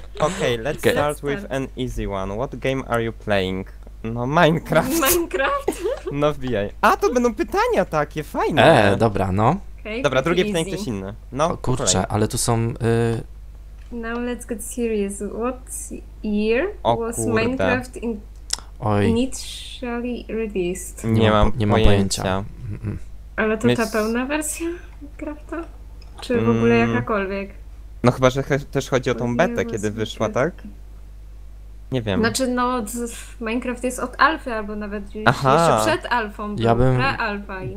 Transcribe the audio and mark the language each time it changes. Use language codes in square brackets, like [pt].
[en] Okay, let's start with an easy one. What game are you playing? [pl] No, Minecraft. Minecraft? No, wbijaj. A, to będą pytania takie, fajne. Dobra, no. Okay, dobra, drugie pytanie, ktoś inny. No, o, kurczę, kolej. Ale tu są... [en] Now let's get serious. What year was Minecraft initially released? [pl] Nie mam pojęcia. Ale to ta pełna wersja Minecrafta? Czy w ogóle jakakolwiek? No chyba, że też chodzi o tą betę, kiedy wyszła, tak? Nie wiem. Znaczy, no, Minecraft jest od alfy, albo nawet jeszcze przed alfą. Ja bym pre-alfa,